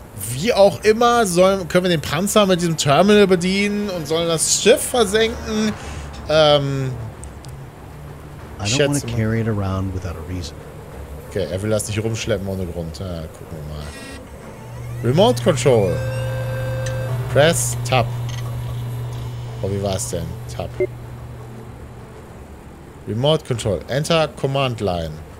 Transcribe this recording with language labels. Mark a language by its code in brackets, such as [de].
[de] Wie auch immer, können wir den Panzer mit diesem Terminal bedienen und sollen das Schiff versenken? [en] I don't want to carry it around without a reason. [de] Okay, er will das nicht rumschleppen ohne Grund. Ja, gucken wir mal. [en] Remote Control. Press Tab. [de] Oh, wie war es denn? Tab. [en] Remote Control. Enter Command Line.